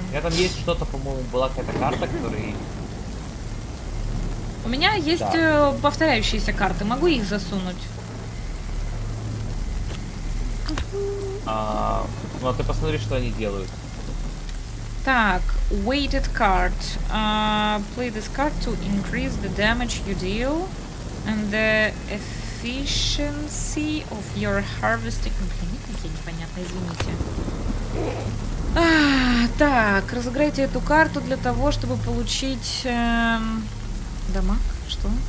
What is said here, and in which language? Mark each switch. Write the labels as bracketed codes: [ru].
[ru] У меня там есть что-то, по-моему, была какая-то карта, которая... У меня есть повторяющиеся карты, могу их засунуть? Ну, а ты посмотри, что они делают. Так, [en] weighted card. Play this card to increase the damage you deal and the efficiency of your harvesting. [ru] Блин, какие непонятные, извините. Так, разыграйте эту карту для того, чтобы получить дамаг. Что?